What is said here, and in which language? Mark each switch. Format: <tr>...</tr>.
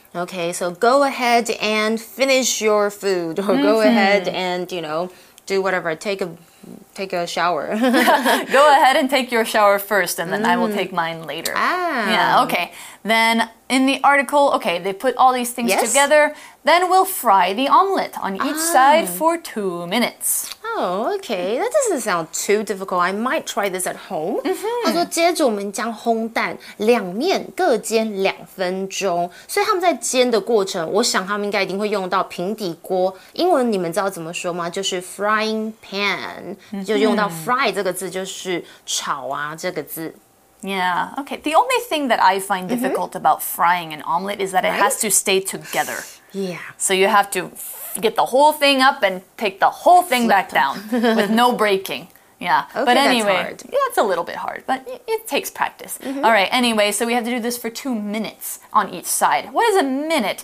<en>Okay, so go ahead and finish your food, or go ahead and, you know, do whatever, take a shower. Go ahead and take your shower first, and then I will take mine later. Ah. Yeah, okay. Then in the article, okay, they put all these things together. Then we'll fry the omelet on each side for 2 minutes. Oh, okay. That doesn't sound too difficult. I might try this at home.</en> <zh>他说接着我们将烘蛋两面各煎2分钟。所以他们在煎的过程，我想他们应该一定会用到平底锅。英文你们知道怎么说吗？就是 frying pan. 就用到 fry 这个字，就是炒啊这个字。</zh> <en>Yeah, okay. The only thing that I find difficult about frying an omelet is that it has to stay together. Yeah. So you have to get the whole thing up and take the whole thing back down with no breaking. Yeah. Okay, but anyway, that's hard. Yeah, it's a little bit hard, but it takes practice. All right. Anyway, so we have to do this for 2 minutes on each side. What is a minute?</en>